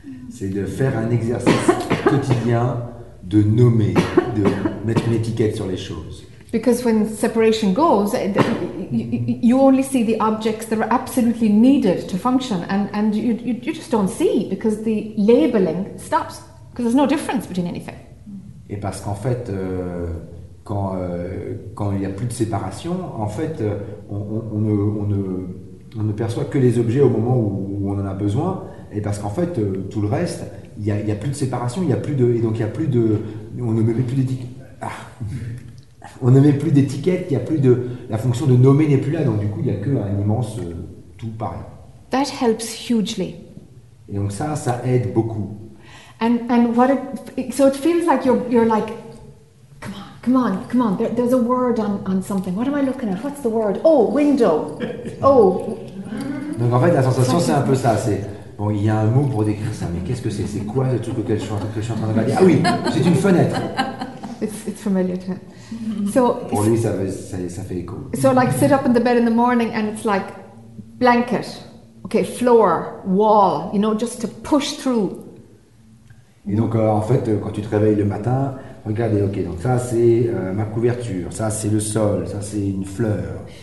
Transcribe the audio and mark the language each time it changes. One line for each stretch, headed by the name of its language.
French: C'est de faire un exercice quotidien de nommer, de mettre une étiquette sur les choses.
English: Because when separation goes, you only see the objects that are absolutely needed to function, and you just don't see because the labeling stops, because there's no difference between anything.
French: Et parce qu'en fait, quand il n'y a plus de séparation, en fait, on ne perçoit que les objets au moment où on en a besoin, et parce qu'en fait, tout le reste, il y a plus de séparation, il y a plus de, et donc il y a plus de, on ne met plus d'étiquette. Ah. On n'avait plus d'étiquette, il y a plus de la fonction de nommer n'est plus là, donc du coup il y a que un immense tout pareil.
English: That helps hugely.
French: Et donc ça aide beaucoup.
English: And what it, so it feels like you're like, come on, there's a word on something. What am I looking at? What's the word? Oh, window. Oh.
French: Donc en fait la sensation c'est un peu ça, c'est bon il y a un mot pour décrire ça, mais qu'est-ce que c'est? C'est quoi le truc que je suis en train de regarder? Ah oui, c'est une fenêtre.
English: It's familiar to him. So,
French: pour lui, ça fait écho.
English: So like sit up in the bed in the morning and it's like blanket, okay, floor, wall, you know, just to push through.
French: Et donc en fait, quand tu te réveilles le matin, regardez, ok, donc ça c'est ma couverture, ça c'est le sol, ça c'est une fleur.